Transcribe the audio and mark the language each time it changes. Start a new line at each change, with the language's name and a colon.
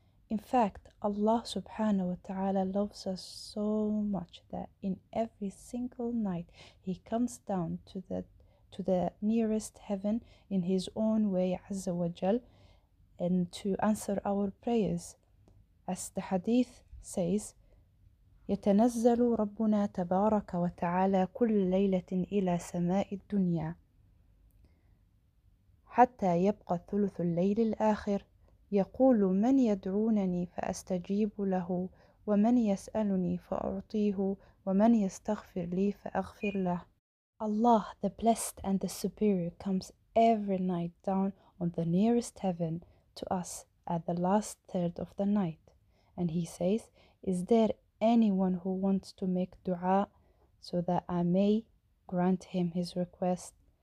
English: In fact, Allah subhanahu wa ta'ala loves us so much that in every single night He comes down to the nearest heaven in His own way, Azza wa Jal, and to answer our prayers. As the hadith says,
Arabic: يَتَنَزَّلُ رَبُّنَا تَبَارَكَ وَتَعَالَى كُلَّ لَيْلَةٍ إِلَى سَمَاءِ الدُّنْيَا حَتَّى يَبْقَى ثُلُثُ اللَّيْلِ الْآخِرِ يَقُولُ مَنْ يَدْعُونَنِي فَأَسْتَجِيبُ لَهُ وَمَنْ يَسْأَلُنِي فَأُعْطِيهُ وَمَنْ يَسْتَغْفِرْ لِي فَأَغْفِرْ لَهُ.
English: Allah, the blessed and the superior, comes every night down on the nearest heaven to us at the last third of the night. And He says, is there anyone who wants to make dua so that I may grant him his request?